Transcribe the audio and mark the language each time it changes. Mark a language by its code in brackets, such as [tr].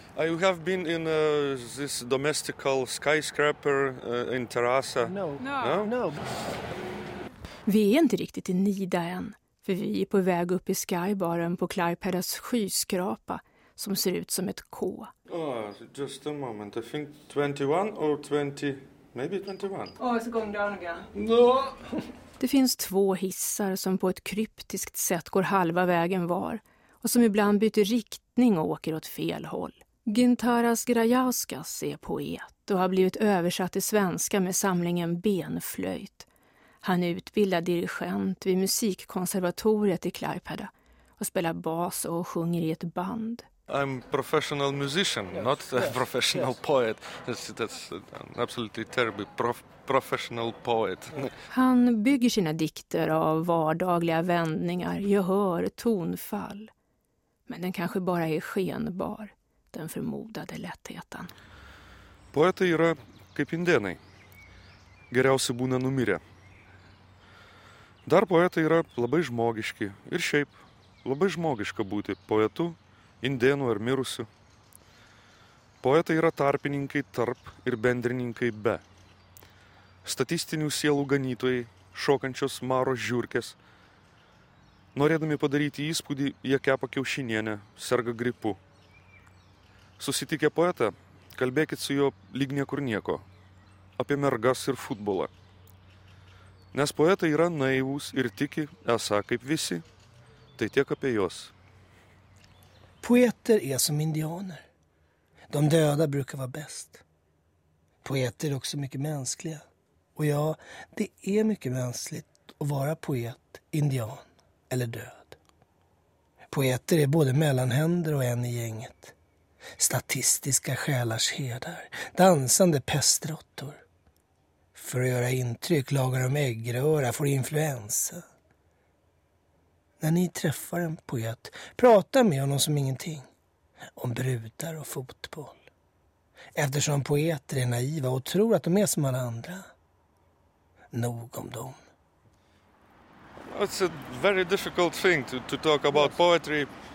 [en] I have been in this domestical skyscraper in Terrassa. No. [sv] Vi är inte riktigt i Nida än, för vi är på väg upp i skybaren på Klaipedas skyskrapa som ser ut som ett K. [en] Oh, just a moment, I think 21 or 20, maybe 21. Oh, it's going down again. No! [sv] Det finns två hissar som på ett kryptiskt sätt går halva vägen var och som ibland byter riktning och åker åt fel håll. Gintaras Grajauskas är poet och har blivit översatt till svenska med samlingen Benflöjt. Han är utbildad dirigent vid musikkonservatoriet i Klaipeda och spelar bas och sjunger i ett band. [en] I'm professional musician, yes. Not a professional yes. Poet. That's an absolutely terrible professional poet. [sv] Han bygger sina dikter av vardagliga vändningar, gehör, tonfall. Men den kanske bara är skenbar, den förmodade lättheten. Poeter är som indianer. [lt] geriausiai būna numirę. Dar poetai yra labai žmogiški ir šiaip labai žmogiška būti poetu, indėnu ar mirusiu. Poetai yra tarpininkai tarp ir bendrininkai be. Statistinių sielų ganytojai, šokančios maro žiurkės. Norėdami padaryti įspūdį, jie kepa kiaušinienę, serga gripu. Susitikę poetą, kalbėkit su jo lyg niekur nieko, apie mergas ir futbolą. Nes poetai yra naivūs ir tiki, esą kaip visi, tai tiek apie jos. [sv] Poeter är som indianer. De döda brukar vara bäst. Poeter är också mycket mänskliga. Och ja, det är mycket mänskligt att vara poet, indian eller död. Poeter är både mellanhänder och en i gänget. Statistiska själarshedar, dansande pestrottor. För att göra intryck lagar de äggröra, får influensa. När ni träffar en poet, prata med honom som ingenting. Om brudar och fotboll. Eftersom poeter är naiva och tror att de är som alla andra. Nog om dem. [en] It's a very difficult thing to talk about poetry.